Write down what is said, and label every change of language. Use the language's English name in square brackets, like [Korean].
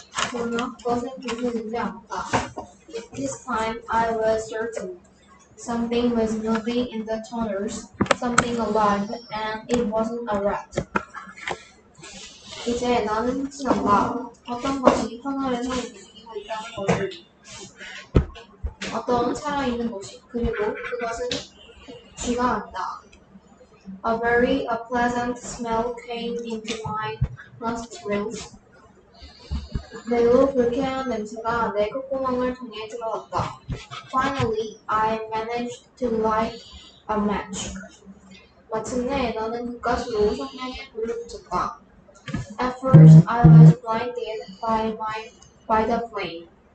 [Korean] 그러나 그것은 보이지 않았다. [English] This time I was certain. Something was moving in the tunnels, something alive, and it wasn't a rat. [Korean] 이제 나는 확신한다. 어떤 것이 터널에서 움직이고 있다는 것을. 어떤 살아 있는 것이, 그리고 그것은 쥐가 아니다. [English] A very unpleasant smell came into my nostrils. [Korean] 매우 불쾌한 냄새가 내 콧구멍을 통해 들어왔다. [English] Finally, I managed to light a match. [Korean] 마침내 나는 그것으로 성냥에 불을 붙였다. [English] At first, I was blinded by the flame.